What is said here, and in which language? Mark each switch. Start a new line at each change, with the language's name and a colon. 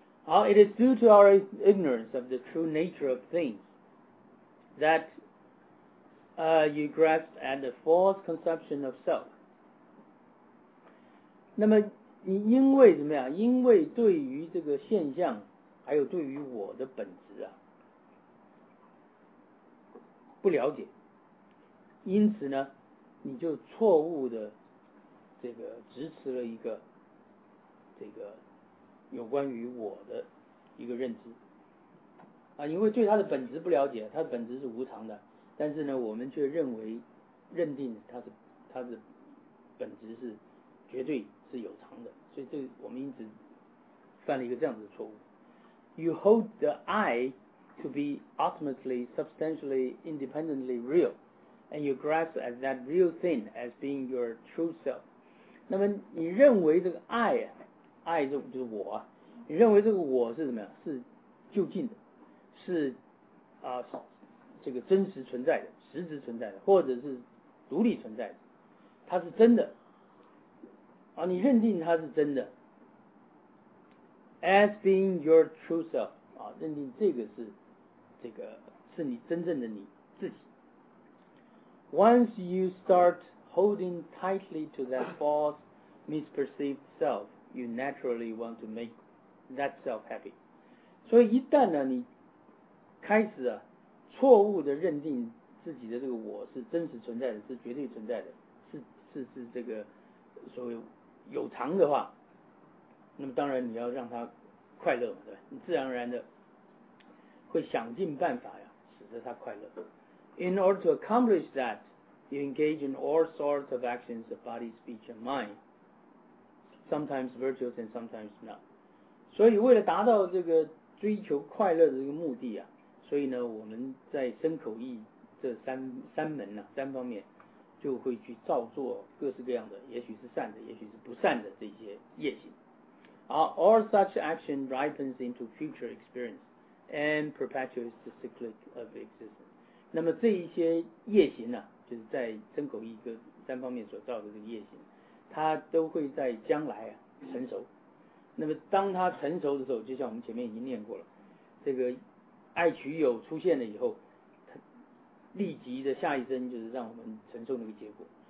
English: It is due to our ignorance of the true nature of things that you grasp at the false conception of self.
Chinese: 那么你因为怎么样？因为对于这个现象，还有对于我的本质啊，不了解，因此呢，你就错误的这个执持了一个这个有关于我的一个认知啊，因为对它的本质不了解，它的本质是无常的，但是呢，我们却认为认定它的本质是绝对是有常的，所以这我们因此犯了一个这样子的错误。
English: You hold the I to be ultimately, substantially, independently real, and you grasp at that real thing as being your true self.
Chinese: 那么你认为这个 I 就是我啊，你认为这个我是什么呀？是究竟的，是啊、这个真实存在的、实质存在的，或者是独立存在的，它是真的啊，你认定它是真的。
English: As being your true self,
Chinese: 啊，认定这个是这个是你真正的你自己。
English: Once you start holding tightly to that false, misperceived self, you naturally want to make that self happy.
Chinese: 所以一旦呢，你开始啊，错误的认定自己的这个我是真实存在的，是绝对存在的，是这个所谓有常的话，那么当然你要让他快乐嘛，对吧？你自然而然的会想尽办法呀，使得他快乐。
English: In order to accomplish that, you engage in all sorts of actions of body, speech, and mind, sometimes virtuous and sometimes not.
Chinese: 所以为了达到这个追求快乐的这个目的啊，所以呢，我们在身口意这三门呢、啊，三方面就会去造作各式各样的，也许是善的，也许是不善的这些业行。
English: All such action ripens into future experience and perpetuates the cyclic of existence.
Chinese: 那么这一些业行啊，就是在身口意各三方面所造的这个业行，它都会在将来啊成熟。那么当它成熟的时候，就像我们前面已经念过了，这个爱取有出现了以后，它立即的下一生就是让我们承受那个结果。